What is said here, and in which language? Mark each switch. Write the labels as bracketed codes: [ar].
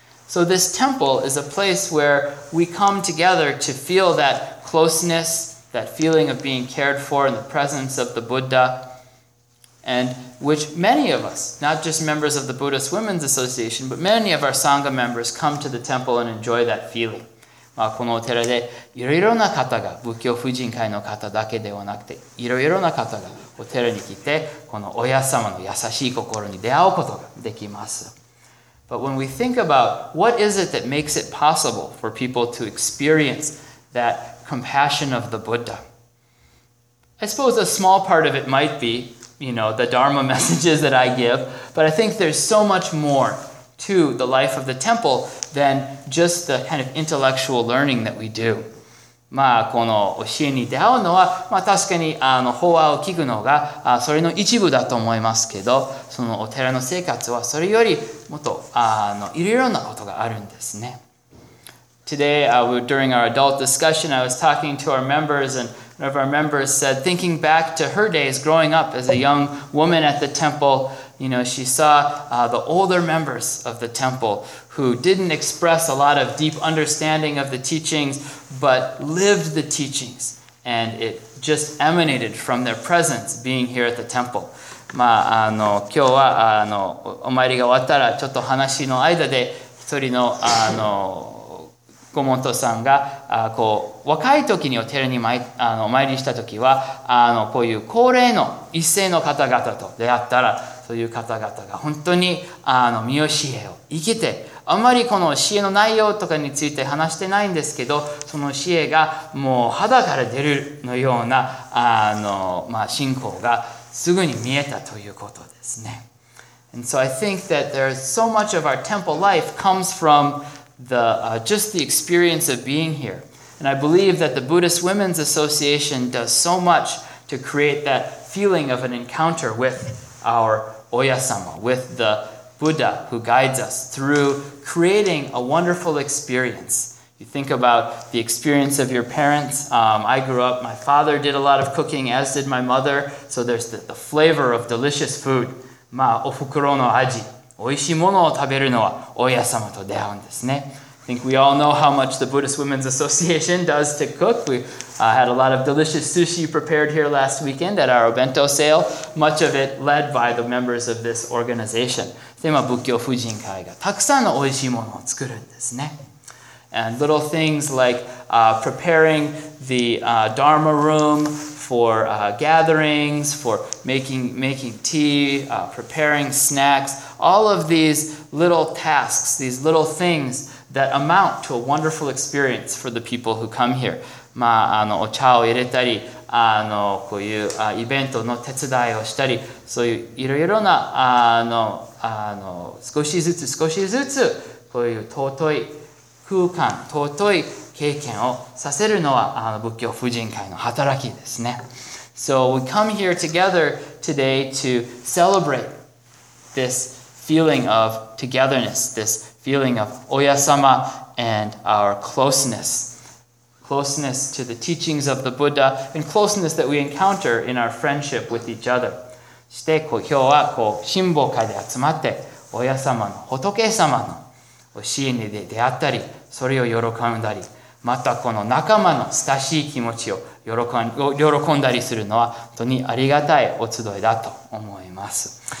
[en] So this temple is a place where we come together to feel that closeness, that feeling of being cared for in the presence of the Buddha, and which many of us, not just members of the Buddhist Women's Association, but many of our Sangha members come to the temple and enjoy that feeling. [ja] このお寺でいろいろな方が仏教婦人会の方だけではなくていろいろな方がお寺に来てこの親様の優しい心に出会うことができます。 [en] But when we think about what is it that makes it possible for people to experience that compassion of the Buddha, I suppose a small part of it might be, you know, the Dharma messages that I give, but I think there's so much more to the life of the temple than just the kind of intellectual learning that we do. [ja] まあこの教えに出会うのはまあ確かにあの法話を聞くのがそれの一部だと思いますけど、そのお寺の生活はそれよりもっとあのいろいろなことがあるんですね。 [en] Today, during our adult discussion, I was talking to our members, and one of our members said, thinking back to her days growing up as a young woman at the temple, you know, she saw the older members of the temple who didn't express a lot of deep understanding of the teachings, but lived the teachings, and it just emanated from their presence being here at the temple. [ja] まあ、あの、今日は、あの、お参りが終わったら、ちょっと話の間で、一人の、あの、コモントさんがこう若い時にお寺に参りした時はこういう高齢の一世の方々と出会ったらそういう方々が本当に身教えを生きてあまりこの教えの内容とかについて話してないんですけどその教えがもう肌から出るのような信仰がすぐに見えたということですね。 [en] And so I think that there's so much of our temple life comes fromjust the experience of being here. And I believe that the Buddhist Women's Association does so much to create that feeling of an encounter with our Oya-sama, with the Buddha who guides us through creating a wonderful experience. You think about the experience of your parents. I grew up, my father did a lot of cooking, as did my mother. So there's the flavor of delicious food. [ja] まあ、おふくろの味。おいしいものを食べるのは親様と出会うんですね。 [en] I think we all know how much the Buddhist Women's Association does to cook. We had a lot of delicious sushi prepared here last weekend at our Obento sale, much of it led by the members of this organization. [ja] で、まあ、仏教婦人会がたくさんのおいしいものを作るんですね。 [en] And little things like preparing the Dharma room for gatherings, for making tea, preparing snacks, all of these little tasks, these little things that amount to a wonderful experience for the people who come here. [ja] まあ、あのお茶を入れたり、あのこういうイベントの手伝いをしたり、そういういろいろなあの少しずつ少しずつこういう尊い空間、尊い経験をさせるのは、あの、仏教婦人会の働きですね。 [en] So we come here together today to celebrate this feeling of togetherness, this feeling of Oya-sama and our closeness. Closeness to the teachings of the Buddha and closeness that we encounter in our friendship with each other. [ja] そして、こう、今日はこう、神保会で集まって、Oya-sama の、仏様の教えに出会ったり、それを喜んだり、またこの仲間の親しい気持ちを喜んだりするのは本当にありがたいお集いだと思います。